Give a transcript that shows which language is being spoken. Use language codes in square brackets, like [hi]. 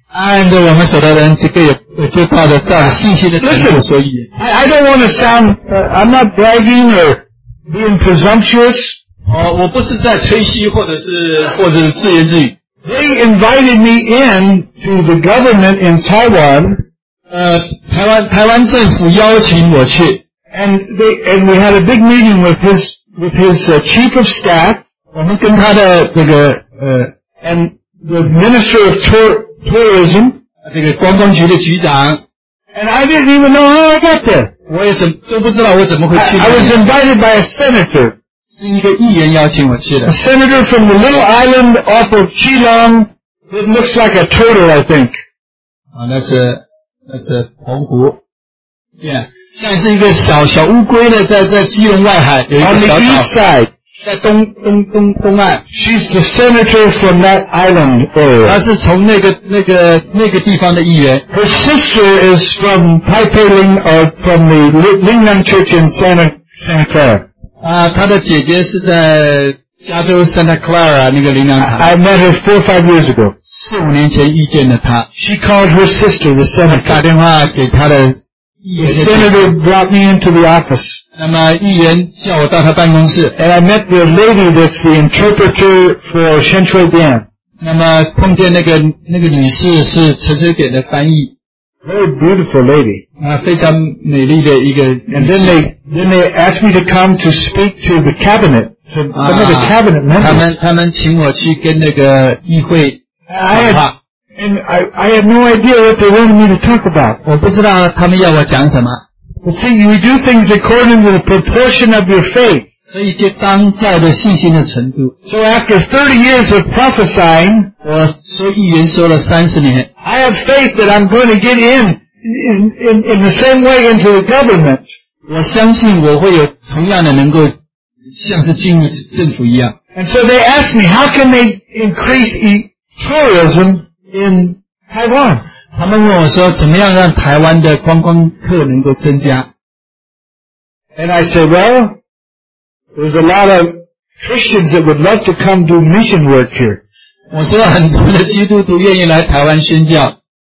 [zh] 按照我们所得的恩赐各有最大的赞信心的程度所以 [en] I don't want to sound I'm not bragging or being presumptuous、 [zh] 我不是在吹嘘或者是自言自语 [en] They invited me in to the government in Taiwan [zh] 台湾政府邀请我去 [en] and we had a big meeting with his chief of staff [zh] 我们跟他的这个 [en] and the minister of Tourism, [zh] 这个观光局的局长 [en] and I didn't even know how I got there. [zh] 我也都不知道我怎么会去。 [en] I was invited by a senator. [zh] 是一个议员邀请我去的。 [en] A senator from the little island off of Keelung that looks like a turtle, I think. [zh] 那是澎湖。 Yeah, 像是一个小乌龟的在基隆外海有一个小岛。 [en] On the east side. [zh] 在东岸 [en] She's the senator from that island area. [zh] 她是从那个地方的议员。 [en] Her sister is from Taipei Ling, from the Lingnan Church in Santa Clara. [zh] 她的姐姐是在加州 Santa Clara 那个灵粮堂。 [en] I met her 4 or 5 years ago. [zh] 4、5年前遇见了她。 [en] She called her sister, the senator. [zh] 打电话给她的 [en] The senator brought me into the office. [zh] 那么议员叫我到他办公室。 [en] And I met the lady that's the interpreter for Shen Shui Bian. [zh] 那么碰见那个女士是陈水扁的翻译。 [en] Very beautiful lady. [zh] 非常美丽的一个女士。 [en] And then they asked me to come to speak to the cabinet, some of the cabinet members. [zh] 他们请我去跟那个议会谈话。 [en] And I had no idea what they wanted me to talk about. [zh] 我不知道他们要我讲什么。 [en] But see, you do things according to the proportion of your faith. [zh] 所以就当在的信心的程度。 [en] So after 30 years of prophesying, [zh] 我说预言说了30年。 [en] I have faith that I'm going to get in the same way into the government. [zh] 我相信我会有同样的能够像是进入政府一样。 [en] And so they asked me, how can they increase tourism? In Taiwan, [zh] 他们问我说怎么样让台湾的观光客能够增加 [en] ？And I said, well, there's a lot of Christians that would love to come do mission work here. [zh] 我说很多的基督徒愿意来台湾宣教